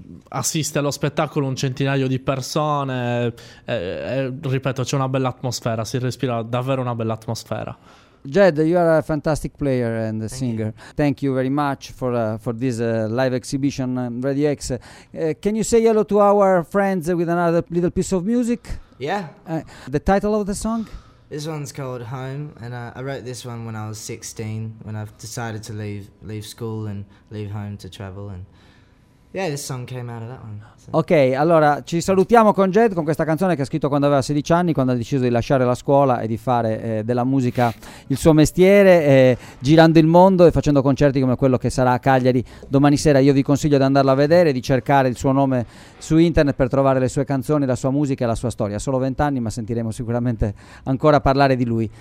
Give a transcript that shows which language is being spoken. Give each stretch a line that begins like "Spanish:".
Italian: Assiste allo spettacolo un centinaio di persone, ripeto, c'è una bella atmosfera, si respira davvero una bella atmosfera.
English: Jed, you are a fantastic player and a singer. Thank you very much for this live exhibition, Radio X. Can you say hello to our friends with another little piece of music? Yeah. The title of the song? This one's called Home, and I wrote this one when I was 16, when I've decided to leave school and leave home to travel. And yeah, this song came out of that one.
Italian: Ok, allora ci salutiamo con Jed, con questa canzone che ha scritto quando aveva 16 anni, quando ha deciso di lasciare la scuola e di fare della musica il suo mestiere, girando il mondo e facendo concerti come quello che sarà a Cagliari domani sera. Io vi consiglio di andarla a vedere, di cercare il suo nome su internet per trovare le sue canzoni, la sua musica e la sua storia. Ha solo 20 anni, ma sentiremo sicuramente ancora parlare di lui.